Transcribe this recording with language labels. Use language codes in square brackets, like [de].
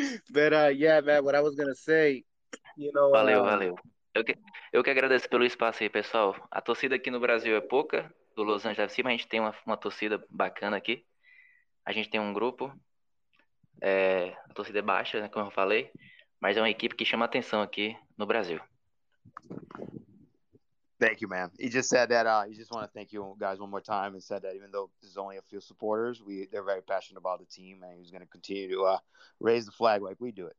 [en] But yeah, man, what I was going to say, you know. [pt] Valeu. Eu que agradeço pelo espaço aí, pessoal. A torcida aqui no Brasil é pouca, do Los Angeles FC, mas a gente tem uma torcida bacana aqui. A gente tem um grupo, a torcida é baixa, né, como eu falei, mas é uma equipe que chama atenção aqui no Brasil. [en] Thank you, man. He just said that. He just want to thank you guys one more time and said that even though there's only a few supporters, they're very passionate about the team, and he's going to continue to raise the flag like we do it.